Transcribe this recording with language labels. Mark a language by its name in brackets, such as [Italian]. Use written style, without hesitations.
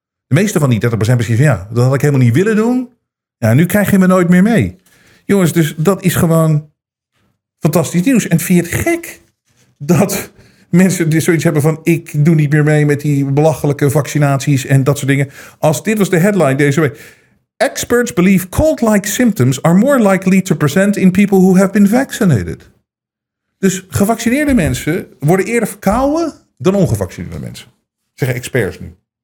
[Dutch] De meeste van die 30% precies van, ja, dat had ik helemaal niet willen doen. Ja, nu krijg je me nooit meer mee. Jongens, dus dat is gewoon fantastisch nieuws. En vind je het gek dat mensen die zoiets hebben van, ik doe niet meer mee met die belachelijke vaccinaties en dat soort dingen. Als dit was de headline deze week. [English] Experts believe cold-like symptoms are more likely to present in people who have been vaccinated. [Dutch] Dus gevaccineerde mensen worden eerder verkouden dan ongevaccineerde mensen. Zeggen experts nu.